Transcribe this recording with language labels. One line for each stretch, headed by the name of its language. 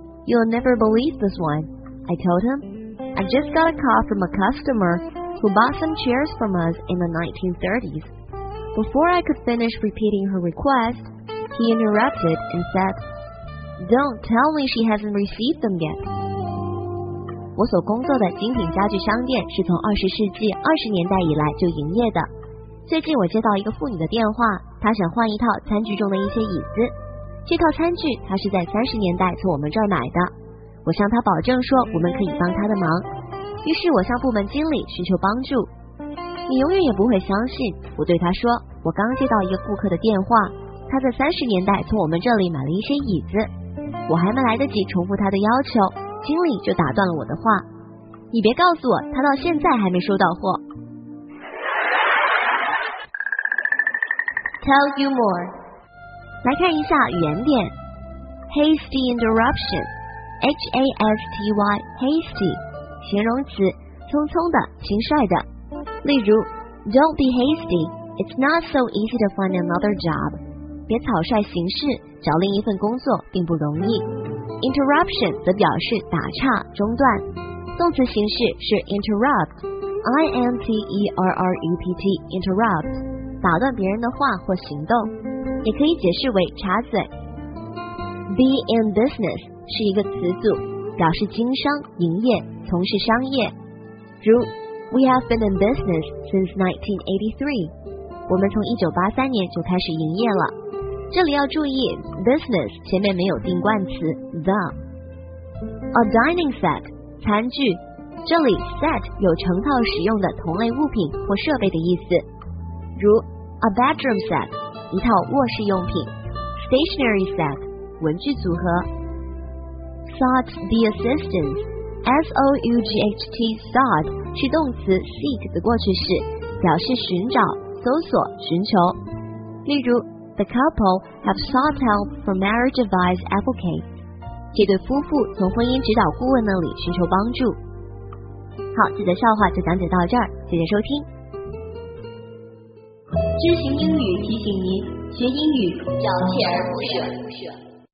English: You'll never believe this one, I told him. I just got a call from a customer who bought some chairs from us in the 1930s. Before I could finish repeating her request, he interrupted and said, Don't tell me she hasn't received them yet.
Chinese: 我所工作的精品家具商店是从20世纪20年代以来就营业的。最近我接到一个妇女的电话，她想换一套餐具中的一些椅子。这套餐具她是在30年代从我们这儿买的。我向他保证说我们可以帮他的忙，于是我向部门经理寻求帮助。你永远也不会相信，我对他说，我刚接到一个顾客的电话，他在30年代从我们这里买了一些椅子。我还没来得及重复他的要求，经理就打断了我的话，你别告诉我他到现在还没收到货。
English: Tell you more，
Chinese: 来看一下语言点。 Hasty interruption，H-A-S-T-Y, hasty, 形容词，匆匆的，轻率的。例如
English: Don't be hasty, it's not so easy to find another job.
Chinese: 别草率行事，找另一份工作并不容易。 Interruption 则表示打岔，中断。动词形式是 interrupt, I-N-T-E-R-R-U-P-T, interrupt, 打断别人的话或行动，也可以解释为插嘴。 Be in business,是一个词组，表示经商、营业、从事商业。如
English: We have been in business since 1983.
Chinese: 我们从1983年就开始营业了。这里要注意 business 前面没有定冠词 the。 A dining set 餐具，这里 set 有成套使用的同类物品或设备的意思。如 A bedroom set 一套卧室用品， Stationary set 文具组合。 Sought the assistance, S-O-U-G-H-T, sought, 是动词 seek 的过去式，表示寻找、搜索、寻求。例如
English: The couple have sought help from marriage advice advocate.
Chinese: 这对夫妇从婚姻指导顾问那里寻求帮助。好，这则笑话就讲解到这儿，谢谢收听。知行英语提醒您，学英语要锲而不舍。